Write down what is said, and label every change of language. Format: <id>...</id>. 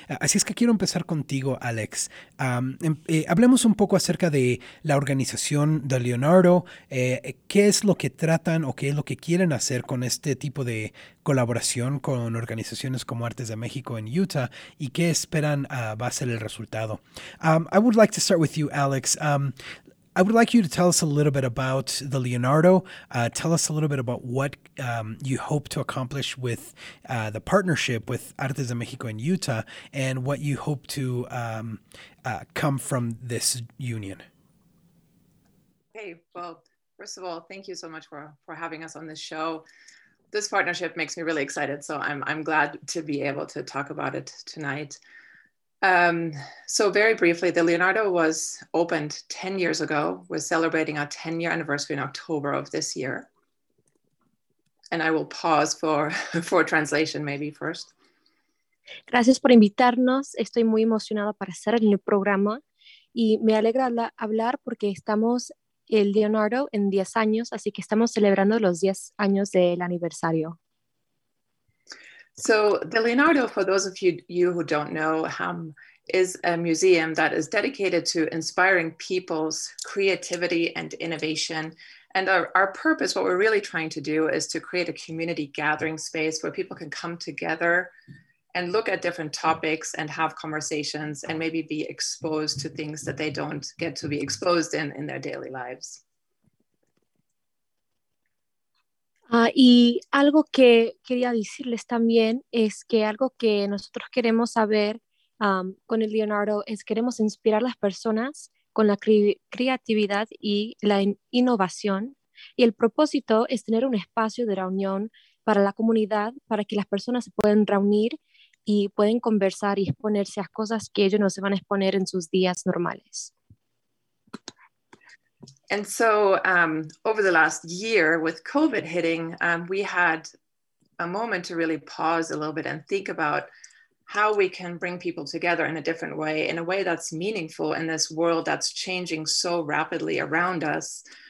<es>Así es que quiero empezar contigo, Alex. Hablemos un poco acerca de la organización de Leonardo. ¿Qué es lo que tratan o qué es lo que quieren hacer con este tipo de colaboración con organizaciones como Artes de México en Utah, y qué esperan va a ser el resultado?</es> <en>I would like to start with you, Alex. I would like you to tell us a little bit about the Leonardo. Tell us a little bit about what you hope to accomplish with the partnership with Artes de México in Utah, and what you hope to come from this union. Hey, well, first of all, thank you so much for having us on this show. This partnership makes me really excited, so I'm glad to be able to talk about it tonight. So very briefly, the Leonardo was opened 10 years ago. We're celebrating our 10-year anniversary in October of this year. And I will pause for translation maybe first.</en> <es>Gracias por invitarnos. Estoy muy emocionada para estar en el programa. Y me alegra hablar porque estamos el Leonardo en 10 años, así que estamos celebrando los 10 años del aniversario.</es> <en>So the Leonardo, for those of you who don't know, is a museum that is dedicated to inspiring people's creativity and innovation. And our purpose, what we're really trying to do, is to create a community gathering space where people can come together and look at different topics and have conversations and maybe be exposed to things that they don't get to be exposed in their daily lives.</en> <es>Y algo que quería decirles también es que algo que nosotros queremos saber con el Leonardo es queremos inspirar a las personas con la creatividad y la innovación. Y el propósito es tener un espacio de reunión para la comunidad, para que las personas se puedan reunir y pueden conversar y exponerse a cosas que ellos no se van a exponer en sus días normales.</es> <en>And so over the last year with COVID hitting, we had a moment to really pause a little bit and think about how we can bring people together in a different way, in a way that's meaningful in this world that's changing so rapidly around us.</en>